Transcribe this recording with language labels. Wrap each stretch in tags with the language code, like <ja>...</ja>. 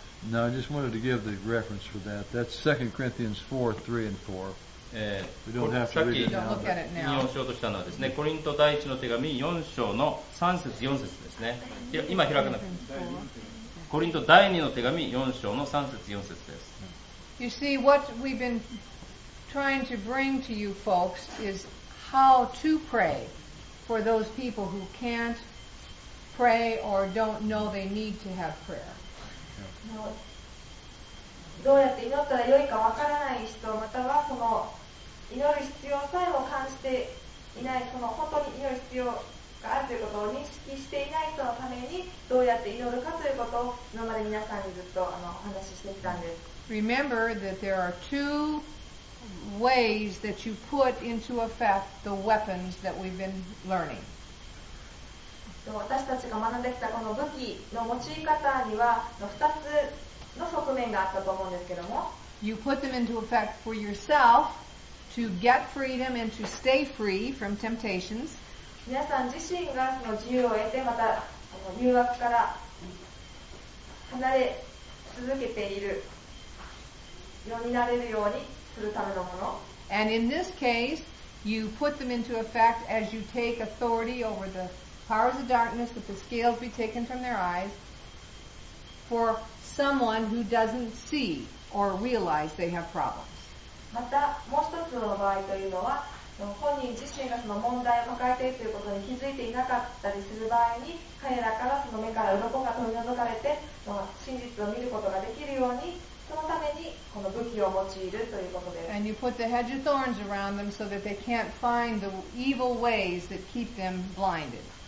<en>Now I just wanted to give the reference for that. That's 2 Corinthians 4:3-4. We don't have to read it now. Look at it now.</en> <ja>引用しようとしたのはですね、コリント第一の手紙4章の3節4節ですね。今開かなくて、コリント第二の手紙4章の3節4節です。</ja> <en>You see, what we've been trying to bring to you folks is how to prayfor those people who can't pray or don't know they need to have prayer.</en> <ja>どうやって祈ったらよいかわからない人、またはその祈る必要さえも感じていない、その本当に祈る必要があるということを認識していない人のために、どうやって祈るかということを今まで皆さんにずっとお話ししてきたんです。</ja> <en>Remember that there are two ways that you put into effect the weapons that we've been learning.</en> <ja>私たちが学んできたこの武器の用い方には2つの側面があったと思うんですけども、</ja> <en>You put them into effect for yourself to get freedom and to stay free from temptations.</en> <ja>皆さん自身がその自由を得て、また誘惑から離れ続けているようになれるように、</ja> <en>And in this case, you put them into effect as you take authority over the powers of darkness, that the scales be taken from their eyes for someone who doesn't see or realize they have problems.</en> <ja>また、もう一つの場合というのは、本人自身がその問題を抱えているということに気づいていなかったりする場合に、彼らからその目から鱗が取り除かれて、真実を見ることができるように、そのためにこの武器を用いるということです。</ja> <en>And you put the hedge of thorns around them so that they can't find the evil ways that keep them blinded.</en>